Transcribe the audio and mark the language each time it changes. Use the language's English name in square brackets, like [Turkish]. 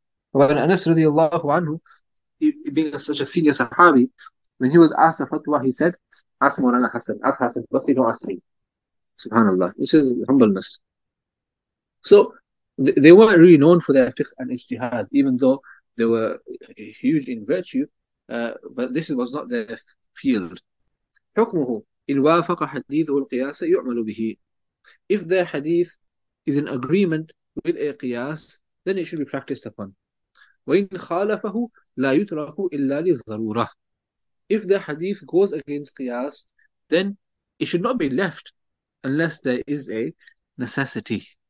[English] When Anas radiallahu anhu, he being such a senior sahabi, when he was asked the fatwa, he said, Ask Mawlana Hassan, ask Hassan Basri, don't ask me. Subhanallah, which is humbleness. So they weren't really known for their fiqh and ijtihad, even though they were huge in virtue, but this was not their field. [Arabic] حكمه إن وافق حديثه القياس يعمل به. [English] If their hadith is in agreement with a qiyas, then it should be practiced upon. [Arabic] وإن خالفه لا يترك إلا لضرورة. [English] If the hadith goes against qiyas, then it should not be left unless there is a necessity.